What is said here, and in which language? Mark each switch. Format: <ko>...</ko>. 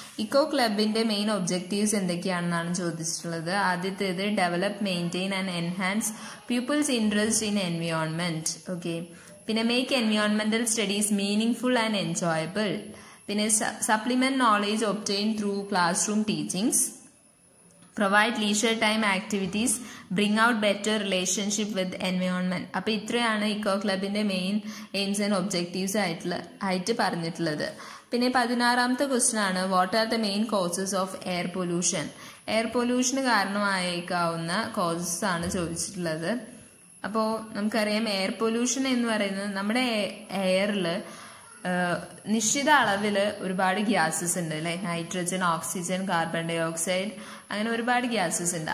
<ml>Eco ക്ലബിൻ്റെ main objectives എന്തൊക്കെയാണെന്നാണ് ചോദിച്ചിട്ടുള്ളത്. ആദ്യത്തേത്</ml> <en>Develop, maintain and enhance people's interest in environment. Okay,</en> <ml>പിന്നെ</ml> <en>Make environmental studies meaningful and enjoyable.</en> <ml>പിന്നെ</ml> <en>Supplement knowledge obtain through classroom teachings. Provide leisure time activities, bring out better relationship with environment.</en> <ml>അപ്പം ഇത്രയാണ് eco ക്ലബിൻ്റെ main AIIMS and objectives ആയിട്ട് പറഞ്ഞിട്ടുള്ളത്. പിന്നെ</ml> <en>16th question</en> <ml>ആണ്,</ml> <en>What are the main causes of air pollution.</en> <ml>Air പൊല്യൂഷന് കാരണമായേക്കാവുന്ന causes ആണ് ചോദിച്ചിട്ടുള്ളത്. അപ്പോൾ നമുക്കറിയാം എയർ പൊല്യൂഷൻ എന്ന് പറയുന്നത് നമ്മുടെ എയറിൽ നിശ്ചിത അളവിൽ ഒരുപാട് ഗ്യാസസ് ഉണ്ട് അല്ലേ, nitrogen, oxygen, carbon dye oxide, അങ്ങനെ ഒരുപാട് ഗ്യാസസ് ഉണ്ട്.</ml>